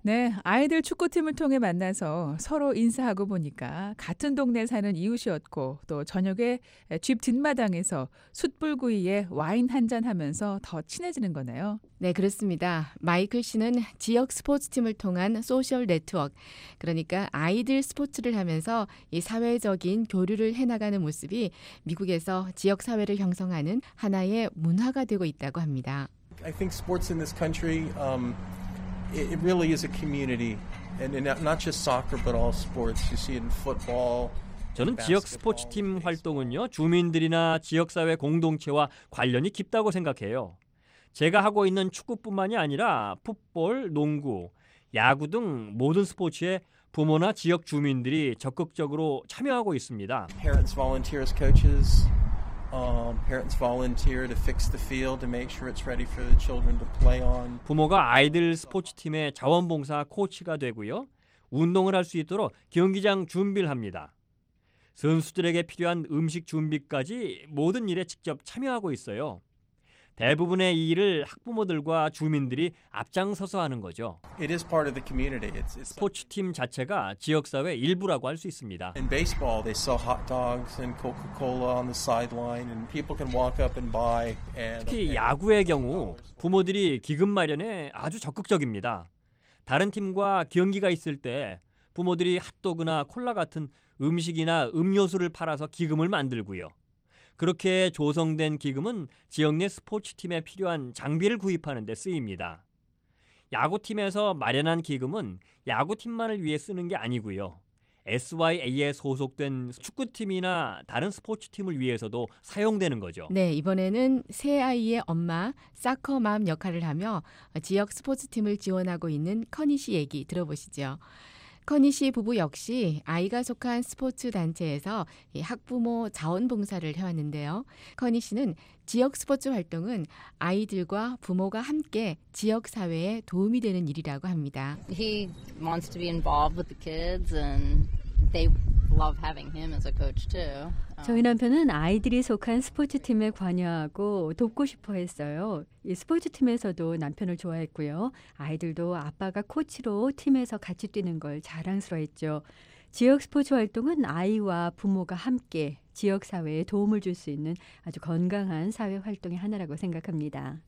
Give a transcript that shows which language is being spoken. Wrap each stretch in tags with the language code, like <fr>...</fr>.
<ko>네, 아이들 축구팀을 통해 만나서 서로 인사하고 보니까 같은 동네 사는 이웃이었고 또 저녁에 집 뒷마당에서 숯불구이에 와인 한잔하면서 더 친해지는 거네요. 네, 그렇습니다. 마이클 씨는 지역 스포츠팀을 통한 소셜 네트워크, 그러니까 아이들 스포츠를 하면서 이 사회적인 교류를 해나가는 모습이 미국에서 지역 사회를 형성하는 하나의 문화가 되고 있다고 합니다.</ko> <en>I think sports in this country it really is a community and not just soccer but all sports. You see in football.</en> <ko>저는 지역 스포츠팀 활동은요, 주민들이나 지역 사회 공동체와 관련이 깊다고 생각해요. 제가 하고 있는 축구뿐만이 아니라 풋볼, 농구, 야구 등 모든 스포츠에 부모나 지역 주민들이 적극적으로 참여하고 있습니다.</ko> <en>Parents volunteer as coaches. Parents volunteer to fix the field to make sure it's ready for the children to play on.</en> <ko>부모가 아이들 스포츠팀의 자원봉사 코치가 되고요. 운동을 할 수 있도록 경기장 준비를 합니다. 선수들에게 필요한 음식 준비까지 모든 일에 직접 참여하고 있어요. 대부분의 이 일을 학부모들과 주민들이 앞장서서 하는 거죠.</ko> <en>It is part of the community.</en> <ko>스포츠팀 자체가 지역사회 일부라고 할 수 있습니다.</ko> <en>In baseball, they sell hot dogs and Coca-Cola on the sideline, and people can walk up and buy.</en> <ko>특히 야구의 경우 부모들이 기금 마련에 아주 적극적입니다. 다른 팀과 경기가 있을 때 부모들이 핫도그나 콜라 같은 음식이나 음료수를 팔아서 기금을 만들고요. 그렇게 조성된 기금은 지역 내 스포츠팀에 필요한 장비를 구입하는 데 쓰입니다. 야구팀에서 마련한 기금은 야구팀만을 위해 쓰는 게 아니고요. SYA에 소속된 축구팀이나 다른 스포츠팀을 위해서도 사용되는 거죠. 네, 이번에는 새 아이의 엄마, 사커맘 역할을 하며 지역 스포츠팀을 지원하고 있는 커니 씨 얘기 들어보시죠. 커니 씨 부부 역시 아이가 속한 스포츠 단체에서 학부모 자원봉사를 해왔는데요. 커니 씨는 지역 스포츠 활동은 아이들과 부모가 함께 지역 사회에 도움이 되는 일이라고 합니다.</ko> <en>He wants to be involved with the kids and they love having him as a coach too.</en> <ko>저희 남편은 아이들이 속한 스포츠팀에 관여하고 돕고 싶어 했어요. 이 스포츠팀에서도 남편을 좋아했고요. 아이들도 아빠가 코치로 팀에서 같이 뛰는 걸 자랑스러워했죠. 지역 스포츠 활동은 아이와 부모가 함께 지역 사회에 도움을 줄 수 있는 아주 건강한 사회 활동의 하나라고 생각합니다.</ko>